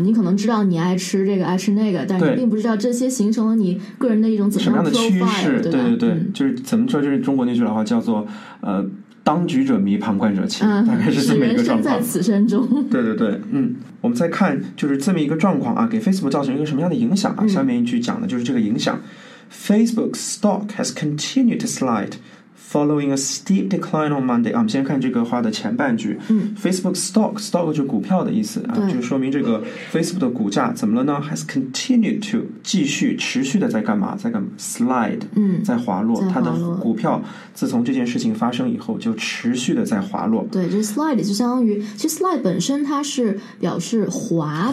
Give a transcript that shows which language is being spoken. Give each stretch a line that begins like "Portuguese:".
Chinese: 你可能知道你爱吃这个爱吃那个，但是并不知道这些形成了你个人的一种怎么样的趋势。对对对、嗯、就是怎么说，就是中国那句老话叫做当局者迷，旁观者清、嗯、大概是这么一个状况。人生在此生中。对对对，嗯，我们再看就是这么一个状况啊，给 Facebook 造成一个什么样的影响啊、嗯、下面一句讲的就是这个影响。
English: Facebook's stock has continued to slide following a steep decline on Monday、
Chinese: 啊、我们先看这个话的前半句、嗯、 Facebook's stock 就是股票的意思啊，就说明这个 Facebook 的股价怎么了呢？ has continued to 持续的在干嘛，在干嘛 slide、嗯、在滑落，它的股票自从这件事情发生以后就持续的在滑落。对，这 slide 就相当于，其实 slide 本身它是表示滑